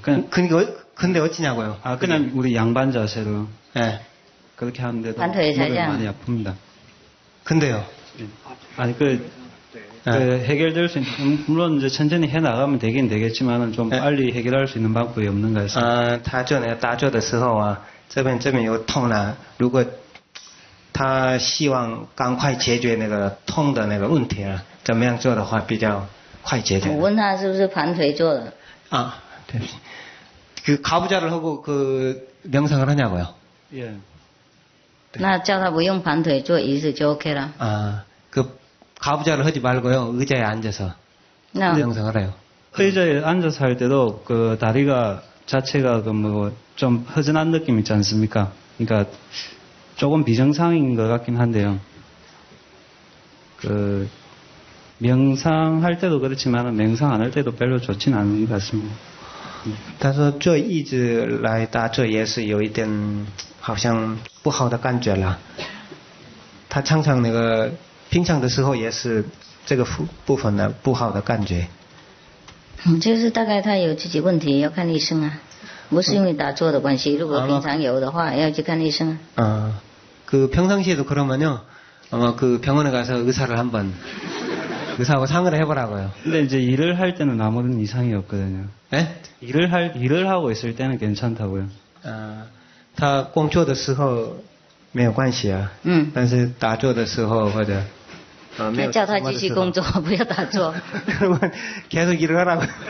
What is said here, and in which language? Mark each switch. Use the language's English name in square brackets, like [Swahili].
[Korean] 그냥 근데 어찌냐고요? 아 그냥 우리 양반 자세로. 예. 그렇게 하는데도 무릎이 많이 아픕니다. 근데요? 아니 그. 네. 해결될 수 있는, 물론 이제 천천히 해나가면 되긴 되겠지만, 좀 네. 빨리 해결할 수 있는 방법이 없는가 해서. [Chinese] 아, 다져的时候啊, 这边 有痛啊, 如果, 他希望赶快解决那个痛的那个问题啊, 怎么样做的话比较快解决. 我问他是不是盘腿做的? 아, 对. [Korean] 그, 가부좌를 하고 그, 명상을 하냐고요? 예. [Chinese] 那叫他不用盘腿做椅子就OK了. [Korean] 아, 그, 가부좌를 하지 말고요, 의자에 앉아서. 명상을 해요. 의자에 앉아서 할 때도, 그, 다리가 자체가, 그, 뭐, 좀 허전한 느낌 있지 않습니까? 그러니까, 조금 비정상인 것 같긴 한데요. 그, 명상할 때도 그렇지만 명상 안 할 때도 별로 좋진 않은 것 같습니다. [Chinese] 他说这一直来打坐也是有一点好像不好的感觉了他常常那个平常的时候也是这个部分的不好的感觉就是大概他有自己问题要看医生啊不是因为打坐的关系如果平常有的话要去看医生 [Korean] 그 평상시에도 그러면요 아마 그 병원에 가서 의사를 한번 의사하고 상의를 해보라고요. 근데 이제 일을 할 때는 아무런 이상이 없거든요. 네? 일을 하고 있을 때는 괜찮다고요. [Chinese] 아, 다 공조的时候没有关系啊. 응. 但是打坐的时候或者. 叫他继续工作，不要打坐. [Korean] 그러면 계속 일을 하라고.